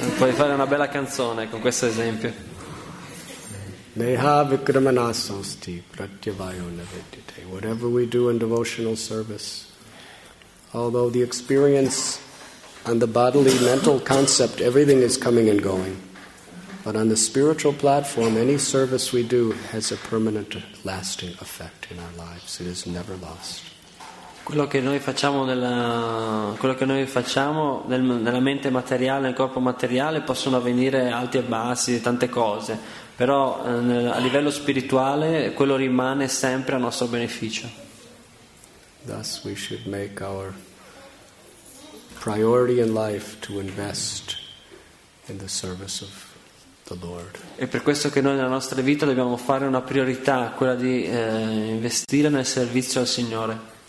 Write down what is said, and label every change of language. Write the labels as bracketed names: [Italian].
[Italian] Puoi fare una bella canzone con questo esempio. [Sanskrit] Neha vikramanasosti pratyavayona vedite. [English] Whatever we do in devotional service, although the experience on the bodily mental concept, everything is coming and going. But on the spiritual platform, any service we do has a permanent lasting effect in our lives. It is never lost. [Italian] Quello che noi facciamo nella mente materiale, nel corpo materiale, possono avvenire alti e bassi, tante cose. Però a livello spirituale, quello rimane sempre a nostro beneficio. [English] Thus we should make our priority in life to invest in the service of the Lord. [Italian] E per questo che noi nella nostra vita dobbiamo fare una priorità, quella di investire nel servizio al Signore.